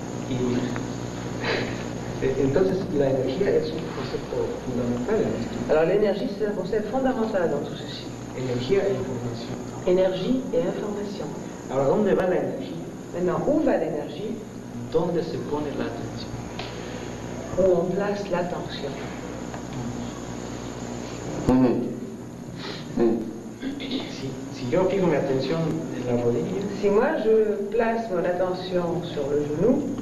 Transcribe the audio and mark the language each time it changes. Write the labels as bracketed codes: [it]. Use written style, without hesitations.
[es] Y entonces la energía es un concepto fundamental en esto. [fr] Alors l'énergie c'est un concept fondamental dans tout ceci. [es] Energía e información. [fr] Énergie et information. Alors [es] ¿dónde va la energía? [fr] Maintenant, où va l'énergie? [es] ¿Dónde se pone la atención? [fr] Où on place l'attention. [es] Si yo fijo mi atención en la rodilla, [fr] si moi je place mon attention sur le genou,